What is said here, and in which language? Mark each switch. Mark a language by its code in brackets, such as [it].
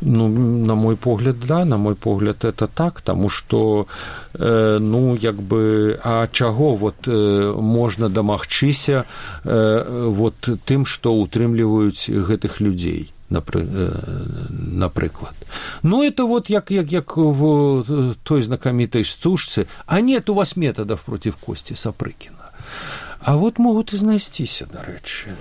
[be] Ну, на мой погляд, да, на мой погляд это так, таму што ну, як бы, а чаго вот можна дамагчыся вот тым, што ўтрымліваюць гэтых людзей, напрыклад. Ну, это вот як в той знакамітай стужцы, [ru] а нет у вас метадов против Кости Сапрыкіна. А вот могут и [be] знайсціся, дарэчы.